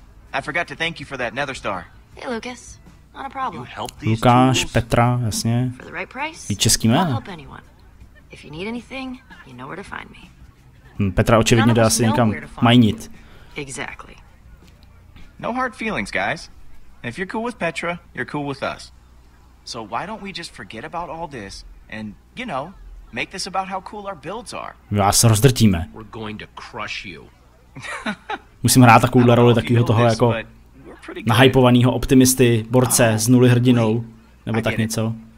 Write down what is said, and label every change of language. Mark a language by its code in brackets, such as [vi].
[en] I forgot to thank you for that nether star. Hey, Lucas. Not a problem. [cs] Lukáš, Petra, jasně. [en] For the right price? [cs] Je český jméno. [en] I'll help anyone. If you need anything, you know where to find me. [cs] Petra očividně dá asi někam majnit. [en] Exactly. No hard feelings, guys. If you're cool with Petra, you're cool with us. So why don't we just forget about all this and, you know, make this about how cool our builds are? [cs] Vás rozdrtíme. [en] We're going to crush you. [cs] Musím hrát takovouhle roli takového toho jako nahypovaného optimisty, borce s nuly hrdinou, nebo tak něco.